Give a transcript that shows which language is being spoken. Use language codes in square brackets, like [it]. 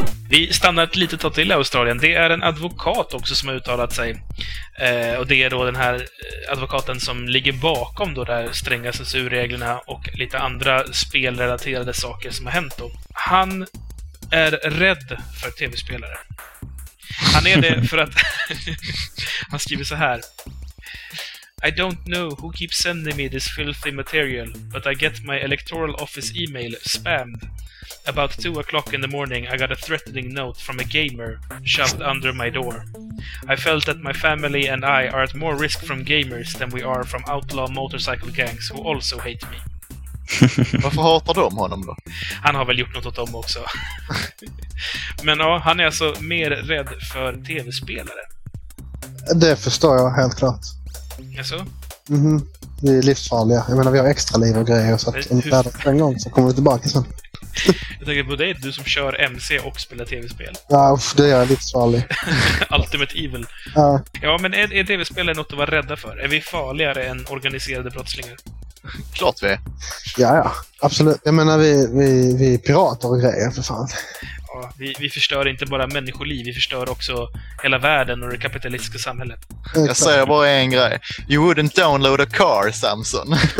[sv] Vi stannar ett litet tag till i Australien. Det är en advokat också som har uttalat sig. Och det är då den här advokaten som ligger bakom då de här stränga censurreglerna och lite andra spelrelaterade saker som har hänt då. Han är rädd för tv-spelare. Han är det för att... han skriver så här... [en] I don't know who keeps sending me this filthy material, but I get my electoral office email spammed. About 2 o'clock in the morning, I got a threatening note from a gamer shoved under my door. I felt that my family and I are at more risk from gamers than we are from outlaw motorcycle gangs who also hate me. [sv] Varför hatar de honom då? Han har väl gjort något åt dem också. Men ja, han är alltså mer rädd för tv-spelare. Det förstår jag helt klart. Alltså? Mm-hmm. Vi är livsfarliga. Jag menar, vi har extra liv och grejer. Så att inte är det en gång så kommer vi tillbaka sen. Jag tänker på dig, du som kör MC och spelar tv-spel. Ja, det är lite farlig. Ultimate Evil. Ja, ja, men är tv-spel något att vara rädda för? Är vi farligare än organiserade brottslingar? Klart vi är. Ja, ja, absolut. Jag menar, vi är pirater och grejer, för fan. Ja, vi förstör inte bara människoliv, vi förstör också hela världen och det kapitalistiska samhället. Jag säger bara en grej. [en] You wouldn't download a car, Samson.